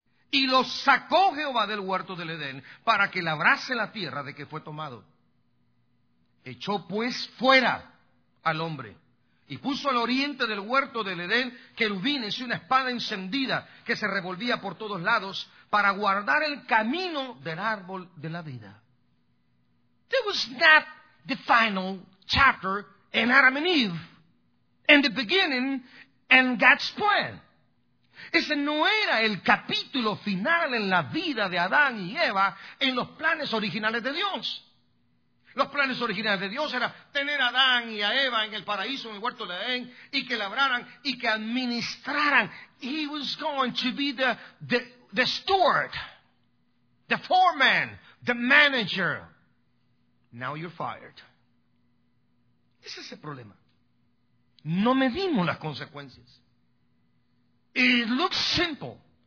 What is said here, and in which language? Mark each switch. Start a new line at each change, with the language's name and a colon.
Spanish: Y lo sacó Jehová del huerto del Edén, para que labrase la tierra de que fue tomado. Echó pues fuera al hombre, y puso al oriente del huerto del Edén querubines y una espada encendida que se revolvía por todos lados para guardar el camino del árbol de la vida.
English: That was not the final chapter in Adam and Eve, in the beginning, and God's plan.
Spanish: Ese no era el capítulo final en la vida de Adán y Eva en los planes originales de Dios. Los planes originales de Dios era tener a Adán y a Eva en el paraíso, en el huerto de Edén, y que labraran y que administraran.
English: He was going to be the steward, the foreman, the manager. Now you're fired.
Spanish: Ese es el problema. No medimos las consecuencias.
English: It looks simple.